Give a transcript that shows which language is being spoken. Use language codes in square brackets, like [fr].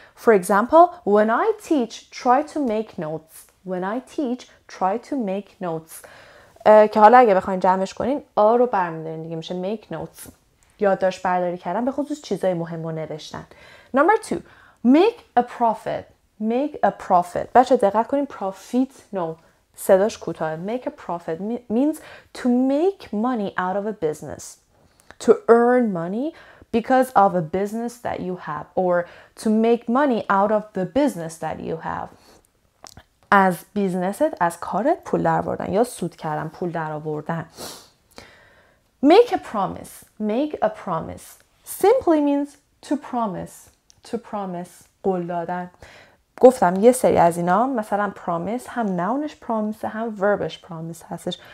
[en] For example, when I teach, try to make notes. When I teach, try to make notes. [fa] که حالا اگه بخواین جمعش کنین آ رو برمیدارین دیگه میشه make notes. یادداشت برداری کردن به خصوص چیزای مهم و نوشتن. [en] Number two. Make a profit. Make a profit. [fa] بچه دقت کنین profit no. صداش کوتاه. [en] Make a profit means to make money out of a business. To earn money because of a business that you have. Or to make money out of the business that you have. [fa] از بیزنست، از کارت پول در آوردن یا سود کردن، پول در آوردن. [en] Make a promise. Make a promise. Simply means to promise. To promise. [fa] قول دادن. گفتم یه سری از اینا مثلا پرامیس هم نونش پرامیس هم وربش پرامیس هستش.